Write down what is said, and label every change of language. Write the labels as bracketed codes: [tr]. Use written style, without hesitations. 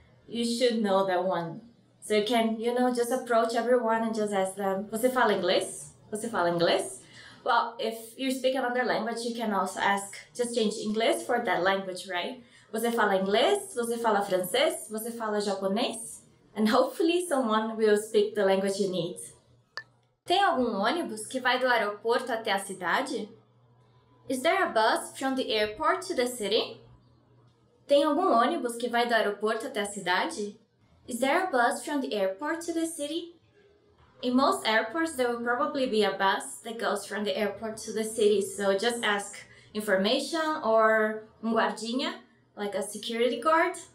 [en] You should know that one. So you can, you know, just approach everyone and just ask them, [pt] você fala inglês? Você fala inglês? [en] Well, if you speak another language, you can also ask, just change inglês for that language, right? [pt] Você fala inglês? Você fala francês? Você fala japonês? [en] And hopefully someone will speak the language you need. [pt] Tem algum ônibus que vai do aeroporto até a cidade? [en] Is there a bus from the airport to the city? [pt] Tem algum ônibus que vai do aeroporto até a cidade? [en] Is there a bus from the airport to the city? In most airports, there will probably be a bus that goes from the airport to the city, so just ask information or [pt] un guardinha, [en] like a security guard.